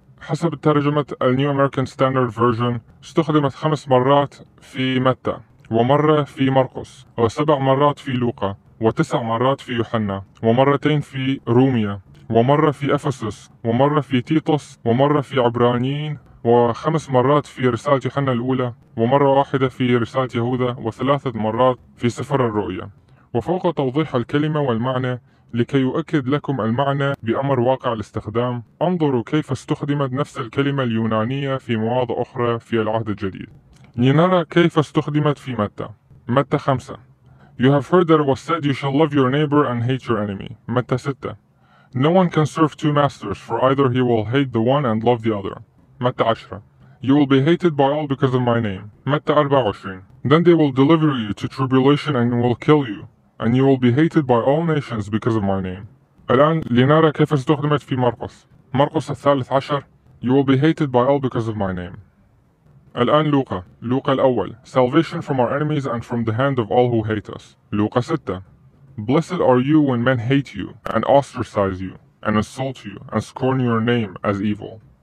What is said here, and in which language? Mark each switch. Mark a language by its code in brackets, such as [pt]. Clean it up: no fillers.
[ar] حسب ترجمة الـ New American Standard Version، استخدمت 5 مرات في متى، ومرة في مرقس، وسبع مرات في لوقا، وتسع مرات في يوحنا، ومرتين في روميا، ومرة في أفسس، ومرة في تيتوس، ومرة في عبرانيين، وخمس مرات في رسالة يوحنا الأولى، ومرة واحدة في رسالة يهوذا، وثلاثة مرات في سفر الرؤيا. وفوق توضيح الكلمة والمعنى لكي يؤكد لكم المعنى بأمر واقع الاستخدام، انظروا كيف استخدمت نفس الكلمة اليونانية في مواضع أخرى في العهد الجديد. لنرى كيف استخدمت في متى. [en] متى 5: You have heard that it was said you shall love your neighbor and hate your enemy. متى 6: No one can serve two masters, for either he will hate the one and love the other. متى 10: You will be hated by all because of my name. متى 24: Then they will deliver you to tribulation and will kill you. And you will be hated by all nations because of my name. [ar] الآن لنرى كيف استخدمت في مرقس. [en] مرقس 13: You will be hated by all because of my name. [ar] الآن لوقا. [en] لوقا الأول: Salvation from our enemies and from the hand of all who hate us. لوقا 6: Blessed are you when men hate you and ostracize you and insult you and scorn your name as evil.